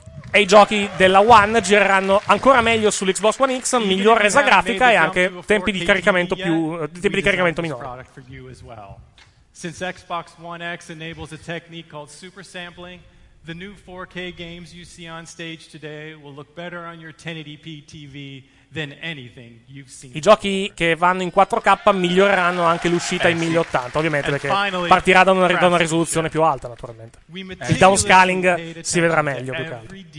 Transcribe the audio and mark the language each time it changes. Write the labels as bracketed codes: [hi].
[it] E i giochi della One gireranno ancora meglio sull'Xbox One X, migliore resa grafica e anche tempi di caricamento minore. [en] Since Xbox One X enables a technique called super sampling, the new 4K games you see on stage today will look better on your 1080p TV than anything you've seen. [it] I giochi che vanno in 4K miglioreranno anche l'uscita in 1080, ovviamente, perché partirà da una risoluzione più alta, naturalmente. Il downscaling si vedrà meglio, più caldo.